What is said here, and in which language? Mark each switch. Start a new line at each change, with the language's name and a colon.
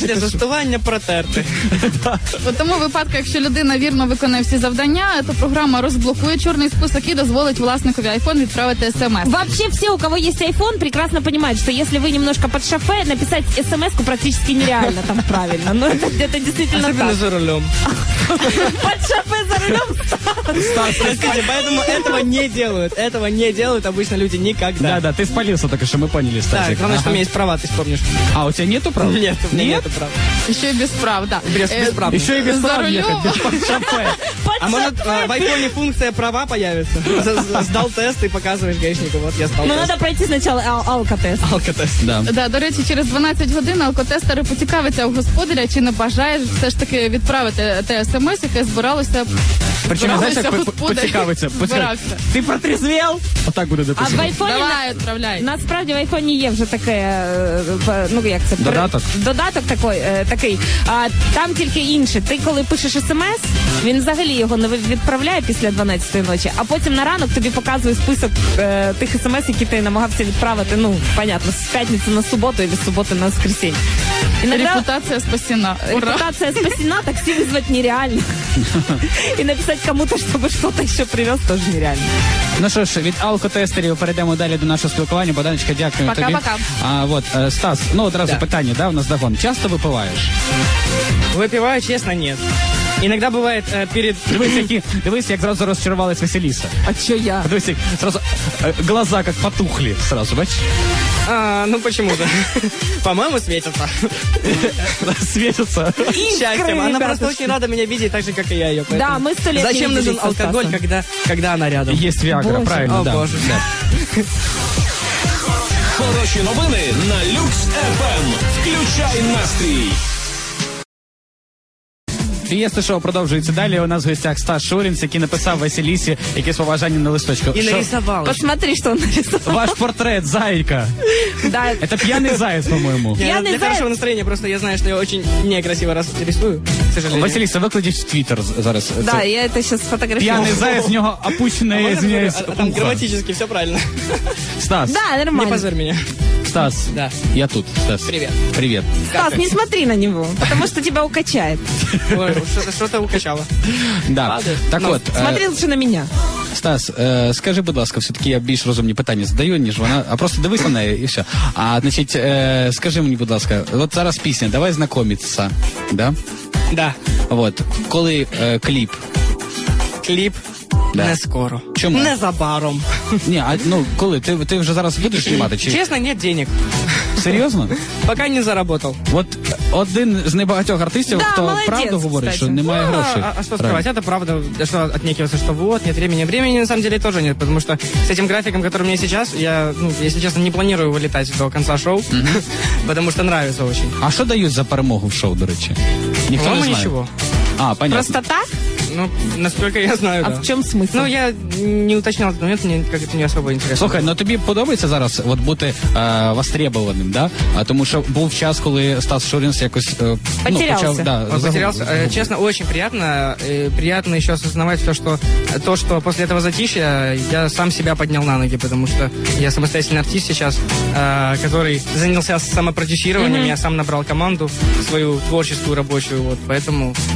Ukrainian: Після застування протерти. У тому випадку, якщо людина вірно виконує всі завдання, то програма розблокує чорний список і дозволить власникові айфон відправити смс.
Russian: Вообще все, у кого є айфон, прекрасно понимают, что если вы немножко под шофе, написать смс-ку практически нереально там правильно. Но это действительно так. Особенно за рулем. Под шофе за рулем? Стас, расскажи, поэтому этого не делают. Этого не делают обычно люди никогда. Да, да, ты спалился только что, мы поняли, Стасик. Так, главное, что у меня есть права, ты вспомнишь. А у тебя нету права? Нет, у меня нету права. Еще и без прав, да. Без прав. Еще и без прав ехать, без под шофе. А может, в айфоне функция права появится? Сдал тест и показываешь гаишнику, вот я сдал. Ну, надо пройти сначала алкотест. Алкотест, да.
Ukrainian: Да, до речи, через 12 годин алкотестеры поцікавиться у господаря, чи не бажаєш все ж таки відправити те смс, яке збиралося. Причому, знаєш, як поцікавиться? Ти протрізвел? Отак буде дописано. А в айфоні насправді в айфоні є вже таке, ну як це? Додаток. Додаток такий. Такий. А там тільки інше. Ти коли пишеш смс, він взагалі його не відправляє після 12-ї ночі, а потім на ранок тобі показує список тих смс, які ти намагався відправити, ну, понятно, з п'ятниці на суботу і з суботи на воскресенье.
Russian: Иногда... Репутація спасена. Ура.
Ukrainian: Репутація спасена, таксі визвати нереально. І написати кому-то, щоб щось ще привез, теж нереально. Ну що ж, від алкотестерів перейдемо далі до нашого спілкування. Баданечка, дякую тобі. Пока-пока. А вот, Стас, ну одразу питання, да, у нас догон. Часто випиваєш? Випиваю, чесно, ні. Іноді буває перед... Дивись, як зразу розчарувалась Василіса. А чого я? Дивись, як зразу... Глаза як потухли зразу, бачиш?
Russian: А, ну почему же? По-моему, светится. Светится. Счастьем. Она просто очень рада меня видеть, так же, как и я ее. Да, мы сто лет. Зачем нужен алкоголь, когда она рядом? Есть Виагра, правильно, да. О, боже.
Ukrainian: Хороші новини на Люкс FM. Включай настрій. Фієсто шоу продовжується далі. У нас в гостях Стас Шурінц, який написав Василісі якесь побажання на листочку. І нарисував. Посмотри, що він нарисував. Ваш портрет, зайка. Це п'яний заяць, по-моєму. Для хорошого настроєння, просто я знаю, що я дуже некрасиво рисую. Василіса, викладіть в Твіттер зараз.
Russian: Да, я это сейчас сфотографирую.
Ukrainian: П'яний заяц, в нього опущене, извиняюсь,
Russian: ухо. Там граматически все правильно. Стас. Да, нормально. Не позорь меня. Стас, да. Я тут, Стас. Привет. Стас, не смотри на него, потому что тебя укачает. Что-то укачало. Да, так вот. Смотри лучше на меня.
Ukrainian: Стас, скажи, будь ласка, все-таки я більш розумні питання задаю, ніж вона, а просто дивись на неї і все. А, значить, скажи мені, будь ласка, от зараз пісня «Давай знакомитися», да?
Russian: Да.
Ukrainian: Вот. Коли кліп?
Russian: Кліп? Да. Не скоро.
Ukrainian: Чому? Не забаром. Ні, а ну коли? Ти вже зараз будеш знімати? Чи...
Russian: Чесно, нет денег.
Ukrainian: Серйозно?
Russian: Пока не заработал.
Ukrainian: Вот один з небагатьох артистів, да, хто
Russian: молодец, правду говорить, кстати,
Ukrainian: що немає грошей. А що скривати?
Russian: Это правда, что отнекиваться, что вот, нет времени. Времени на самом деле тоже нет, потому что с этим графиком, который у меня сейчас, я, ну, если честно, не планирую вылетать до конца шоу, потому что нравится очень.
Ukrainian: А що дають за перемогу в шоу, до речі? Ніхто не знає.
Russian: Ничего. А, понятно. Просто так? Ну, насколько я знаю, а да. В чем смысл? Ну, я не уточнял этот момент, мне как-то не особо интересно.
Ukrainian: Слухай, ну тебе подобается зараз вот бути востребованным, да? А тому що був час, коли Стас Шурінц якось почав, да,
Russian: потерялся. Честно, очень приятно. Приятно еще осознавать то, что после этого затишья я сам себя поднял на ноги, потому что я самостоятельный артист сейчас, который занялся самопродюсированием, mm-hmm. Я сам набрал команду, свою творческую рабочую, вот, поэтому...